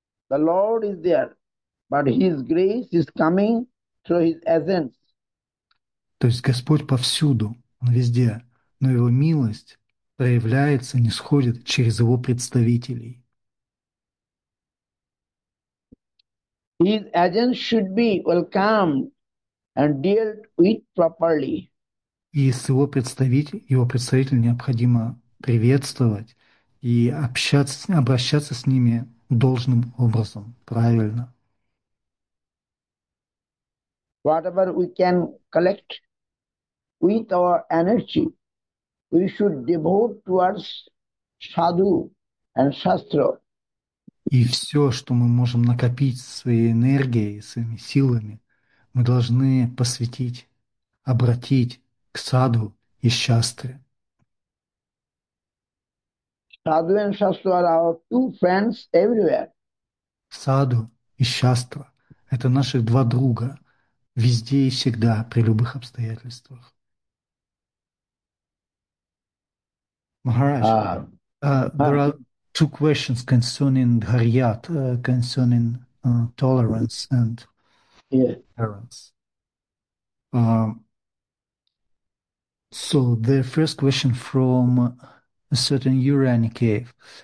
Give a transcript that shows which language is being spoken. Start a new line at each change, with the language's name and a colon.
English: The Lord is there, but His grace is coming through His essence.
Russian: То есть Господь повсюду, Он везде, но Его милость проявляется, нисходит через Его представителей.
English: His agents should be welcomed and dealt with properly.
Russian: И с Его представителем, Его представителя необходимо приветствовать и общаться, обращаться с ними должным образом, правильно.
English: Whatever we can collect with our energy, we should devote towards sadhu and shastra.
Russian: И все, что мы можем накопить своей энергией, своими силами, мы должны посвятить, обратить к садху и шастре.
English: Sadhu and shastra are our two friends everywhere.
Russian: Садху и шастра – это наши два друга везде и всегда, при любых обстоятельствах.
English: Maharaj, there are two questions concerning Dharyat, concerning tolerance and tolerance. So the first question from a certain Urani cave.